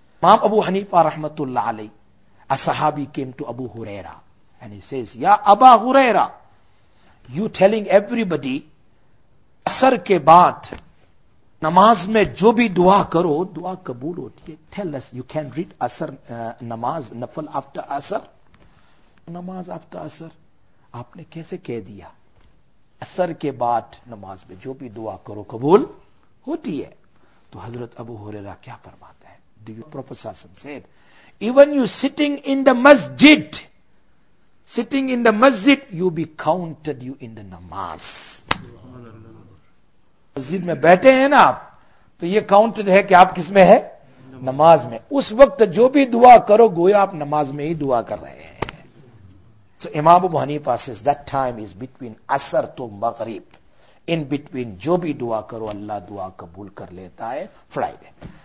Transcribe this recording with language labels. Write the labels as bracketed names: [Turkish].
[English] Imam Abu Hanifa rahmatullah alayhi, a sahabi came to Abu Huraira and he says, Ya Aba Huraira, you telling everybody [Urdu] asar ke baad نماز میں جو بھی دعا کرو دعا قبول ہوتی ہے. [English] Tell us, you can read asr نماز نفل after asr, نماز after asr [Urdu] آپ نے کیسے کہہ دیا؟ اثر کے بعد نماز میں جو بھی دعا کرو قبول ہوتی ہے. تو حضرت ابو ہریرہ کیا فرماتا ہے, پروفیسر صلی اللہ علیہ وسلم سے, [English] Even you sitting in the مسجد, sitting in the مسجد you be counted you in the نماز. [Urdu] مسجد میں بیٹھے ہیں نا آپ, تو یہ کاؤنٹڈ ہے کہ آپ کس میں ہے, نماز میں. اس وقت جو بھی دعا کرو گویا آپ نماز میں ہی دعا کر رہے ہیں. تو امام ابو حنیفہ [English] says that time is between [Urdu] اثر تو مغرب, [English] in between [Urdu] جو بھی دعا کرو اللہ دعا قبول کر لیتا ہے فرائیڈے.